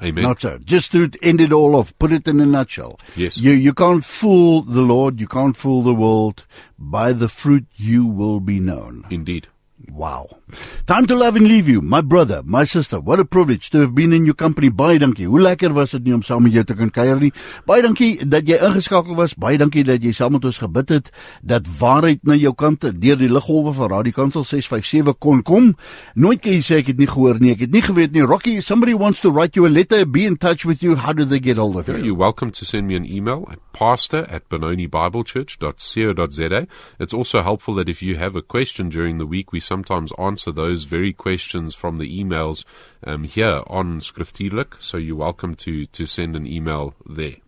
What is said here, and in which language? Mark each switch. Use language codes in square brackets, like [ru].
[en] Amen. Not so. Just to end it all off, put it in a nutshell. Yes. You can't fool the Lord, you can't fool the world. By the fruit you will be known. Indeed. Wow. Time to love and leave you. My brother, my sister, what a privilege to have been in your company. [af] Baie dankie. Hoe lekker was het nie om saam met jou te kan kuier nie. Baie dankie dat jy ingeskakel was. Baie dankie dat jy saam met ons gebid het, dat waarheid na jou kant, deur die liggolwe van Radio Kansel 657 kon kom. Nooit kan jy sê, ek het nie gehoor nie, ek het nie geweet nie. [en] Rocky, somebody wants to write you a letter, be in touch with you. How do they get hold of you? You're welcome to send me an email at pastor@benonibiblechurch.co.za. It's also helpful that if you have a question during the week, we sometimes answer those very questions from the emails here on Skriftierlik, so you're welcome to send an email there.